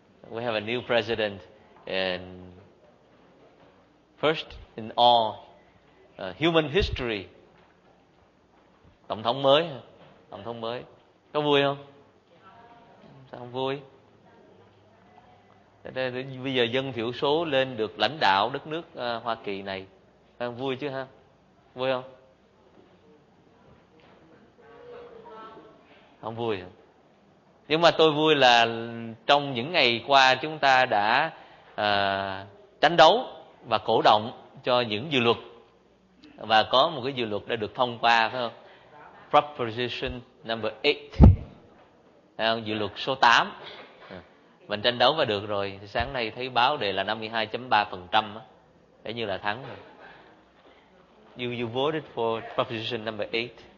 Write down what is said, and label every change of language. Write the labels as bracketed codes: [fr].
[en] We have a new president and first in all human history. [vi] Tổng thống mới, tổng thống mới. Có vui không? Không vui. Bây giờ dân thiểu số lên được lãnh đạo đất nước Hoa Kỳ này, đang vui chứ ha? Vui không? Không vui. Nhưng mà tôi vui là trong những ngày qua chúng ta đã tranh đấu và cổ động cho những dự luật, và có một cái dự luật đã được thông qua, phải không? [en] Proposition number 8. [vi] Dự luật số 8 mình tranh đấu và được rồi. Sáng nay thấy báo đề là 52.3%, thế như là thắng rồi. [en] You voted for proposition number 8.